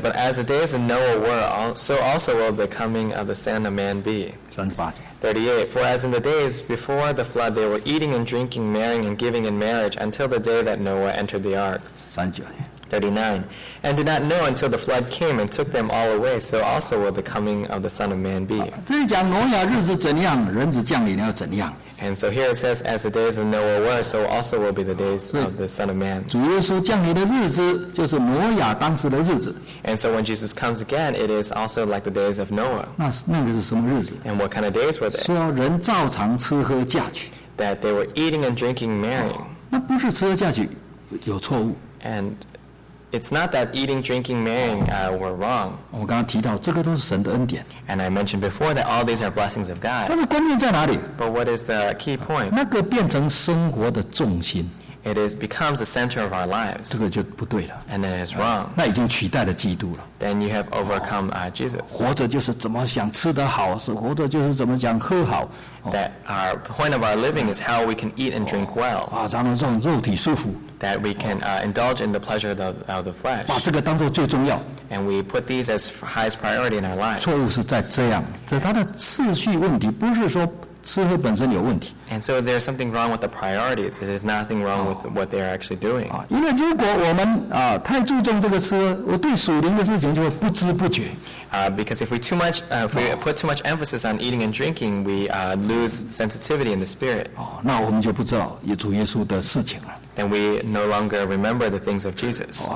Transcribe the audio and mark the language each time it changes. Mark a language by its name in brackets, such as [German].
[English] But as the days of Noah were, so also will the coming of the Son of Man be. 38. For as in the days before the flood, they were eating and drinking, marrying and giving in marriage until the day that Noah entered the ark. 39. And did not know until the flood came and took them all away, so also will the coming of the Son of Man be. [Chinese] 这里讲挪亚日子怎样，人子降临要怎样。 [English] And so here it says, as the days of Noah were, so also will be the days of the Son of Man. [Chinese] 主耶稣降临的日子就是挪亚当时的日子。 [English] And so when Jesus comes again, it is also like the days of Noah. [Chinese] 那个是什么日子？ [English] And what kind of days were they? [Chinese] 说人照常吃喝嫁娶。 [English] That they were eating and drinking, marrying. [Chinese] 那不是吃喝嫁娶有错误。 [English] And it's not that eating, drinking, marrying were wrong. [Chinese] 我刚刚提到这个都是神的恩典。 [English] And I mentioned before that all these are blessings of God. [Chinese] 但是关键在哪里？ [English] But what is the key point? [Chinese] 那个变成生活的重心。 [English] It is becomes the center of our lives. [Chinese] 这个就不对了。 [English] And then it's wrong. [Chinese] 那已经取代了基督了。 [English] Then you have overcome Jesus. [Chinese] 活着就是怎么想吃得好，是活着就是怎么想喝好。 [English] That our point of our living is how we can eat and drink well. [Chinese] 咱们让肉体舒服。 [English] That we can indulge in the pleasure of the flesh. [Chinese] 把这个当作最重要。 [English] And we put these as highest priority in our lives. [Chinese] 错误是在这样，这它的次序问题，不是说吃喝本身有问题。 [English] And so there's something wrong with the priorities. There's nothing wrong with what they are actually doing. [Chinese] 因为如果我们太注重这个吃，我对属灵的事情就会不知不觉。 [English] Because if we too much, if we put too much emphasis on eating and drinking, we lose sensitivity in the spirit. [Chinese] 那我们就不知道有主耶稣的事情了。 [English] Then we no longer remember the things of Jesus.